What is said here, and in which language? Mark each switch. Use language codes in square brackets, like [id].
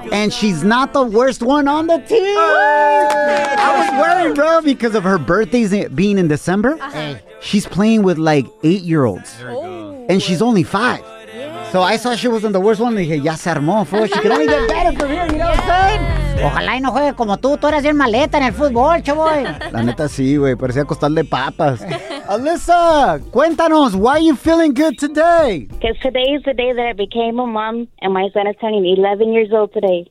[en] And she's not the worst one on the team. Oh, I was worried, bro, because of her birthday being in December. Uh-huh. She's playing with like eight-year-olds. And she's only five. So I saw she wasn't the worst one. [es] Dije, ya se armó, [en] fool. She can only get better from here, you know what I'm saying? [es] Ojalá y no juegue como tú. Tú eras bien maleta en el fútbol, chavoy. La neta sí, güey. Parecía costal de papas. [en] Alyssa, [es] cuéntanos, [en] why are you feeling good today? Because today is the day that I became a mom and my son is turning 11 years old today.